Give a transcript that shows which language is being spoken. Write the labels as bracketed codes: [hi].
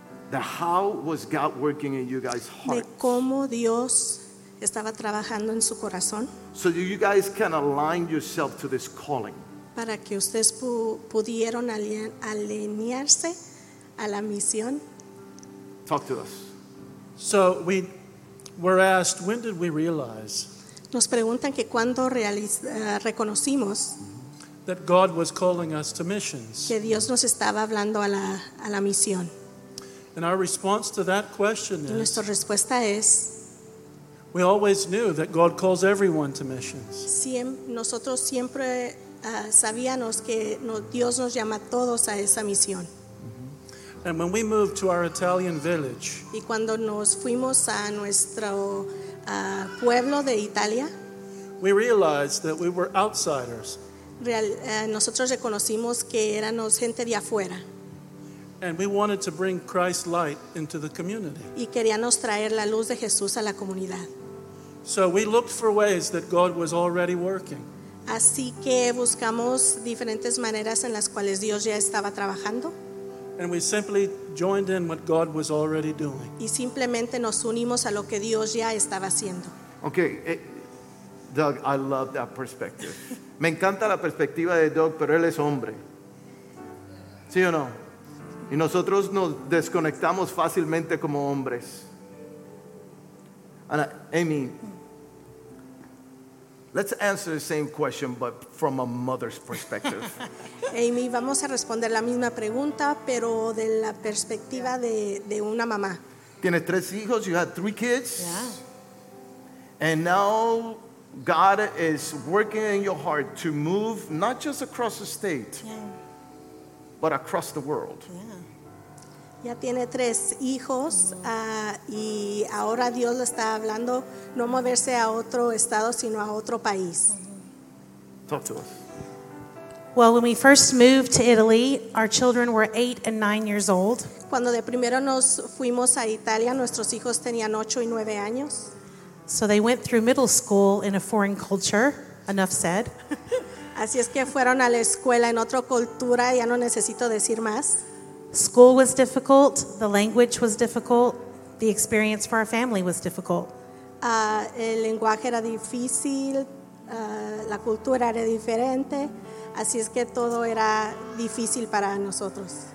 [en] The how was God working in you guys' hearts? [es] De cómo Dios estaba trabajando en su corazón. [en] So you guys can align yourself to this calling. [es] Para que ustedes pudieron alinearse a la misión. [en] Talk to us. So we were asked, when did we realize? [es] Nos preguntan que cuando reconocimos [en] that God was calling us to missions. [es] Que Dios nos estaba hablando a la misión. [en] And our response to that question is, [es] nuestra respuesta es, [en] we always knew that God calls everyone to missions. [es] Nosotros siempre sabíamos que Dios nos llama a todos a esa misión. [en] And when we moved to our Italian village, [es] y cuando nos fuimos a nuestro pueblo de Italia, [en] we realized that we were outsiders. [es] Nosotros reconocimos que éramos gente de afuera. [en] And we wanted to bring Christ's light into the community. [es] Y queríamos traer la luz de Jesús a la comunidad. [en] So we looked for ways that God was already working. [es] Así que buscamos diferentes maneras en las cuales Dios ya estaba trabajando. [en] And we simply joined in what God was already doing. [es] Y simplemente nos unimos a lo que Dios ya estaba haciendo. [en] Okay, Doug, I love that perspective. [es] Me encanta la perspectiva de Doug, pero él es hombre. ¿Sí o no? Y nosotros nos desconectamos fácilmente como hombres. [en] Ana, Amy, let's answer the same question, but from a mother's perspective. [es] Amy, vamos a responder la misma pregunta, pero de la perspectiva de una mamá. Tienes 3 hijos, [en] you had 3 kids. Yeah. And now God is working in your heart to move not just across the state, yeah, but across the world. Yeah. [es] Ya tiene 3 hijos, y ahora Dios le está hablando no moverse a otro estado, sino a otro país. [en] Talk to us. Well, when we first moved to Italy, our children were 8 and 9 years old. [es] Cuando de primero nos fuimos a Italia, nuestros hijos tenían 8 y 9 años. [en] So they went through middle school in a foreign culture, enough said. [es] Así es que fueron a la escuela en otra cultura, ya no necesito decir más. [en] School was difficult, the language was difficult, the experience for our family was difficult. [es] El lenguaje era difícil, la cultura era diferente, así es que todo era difícil para nosotros.